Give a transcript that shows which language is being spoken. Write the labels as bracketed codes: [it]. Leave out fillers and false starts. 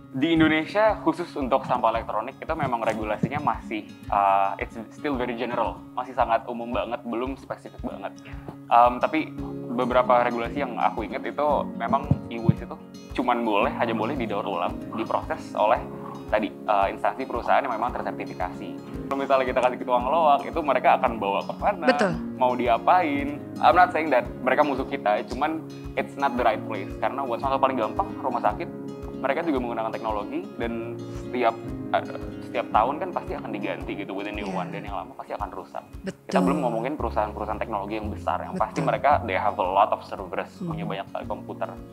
[id] Di Indonesia khusus untuk sampah elektronik itu memang regulasinya masih [en] it's still very general, [id] masih sangat umum banget, belum spesifik banget. Tapi beberapa regulasi yang aku ingat itu memang e-waste itu cuman boleh, hanya boleh didaur ulang, diproses oleh tadi instansi perusahaan yang memang tersertifikasi. Kalau misalnya kita kasih ke tuang loak, itu mereka akan bawa ke mana? Betul. Mau diapain? [en] I'm not saying that [id] mereka musuh kita, cuman [en] it's not the right place. [id] Karena buat contoh paling gampang, rumah sakit, mereka juga menggunakan teknologi, dan setiap tahun kan pasti akan diganti gitu, [en] with a new one, [id] dan yang lama pasti akan rusak. Betul. Kita belum ngomongin perusahaan-perusahaan teknologi yang besar, yang pasti mereka, [en] they have a lot of servers, [id] punya banyak komputer.